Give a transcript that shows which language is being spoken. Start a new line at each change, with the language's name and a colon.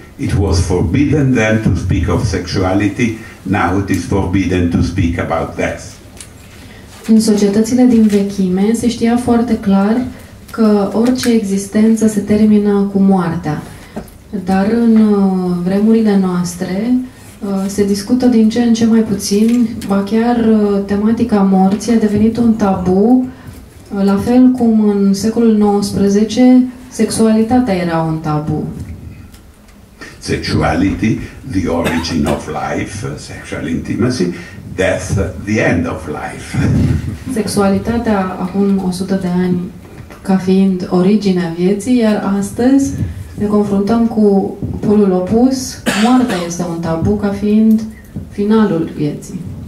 English: It was forbidden then to speak of sexuality, now it is forbidden to speak about death.
Romanian: În societățile din vechime se știa foarte clar că orice existență se termină cu moartea. Dar în vremurile noastre se discută din ce în ce mai puțin, ba chiar tematica morții a devenit un tabu, la fel cum în secolul XIX sexualitatea era un tabu.
English: Sexuality, the origin of life, sexual intimacy, death, the end of life.
Romanian: Sexualitatea acum 100 de ani ca fiind originea vieții, iar astăzi ne confruntăm cu polul opus, moartea este un tabu ca fiind finalul vieții.